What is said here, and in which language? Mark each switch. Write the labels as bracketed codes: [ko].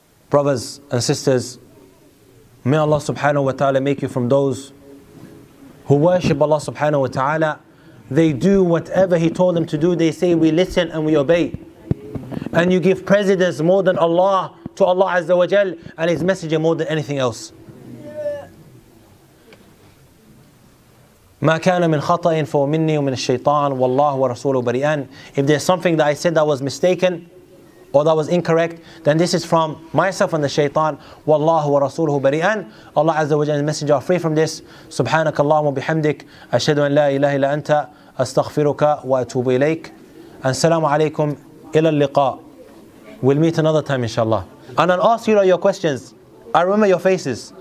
[en] Brothers and sisters, may Allah subhanahu wa ta'ala make you from those who worship Allah subhanahu wa ta'ala. They do whatever He told them to do. They say, we listen and we obey. And you give precedence more than Allah to Allah Azza wa Jal and His Messenger more than anything else. [ar] ما كان من خطأ فمني ومن الشيطان والله ورسوله بريان. [en] If there's something that I said that was mistaken or that was incorrect, then this is from myself and the shaytan. [ar] والله ورسوله بريان. [en] Allah Azza wa Jalla and the Messenger are free from this. [ar] سبحانك اللهم وبحمدك أشهد أن لا إله إلا أنت أستغفرك وأتوب إليك. السلام عليكم إلى اللقاء. [en] We'll meet another time, inshallah. And I'll ask you all your questions. I remember your faces.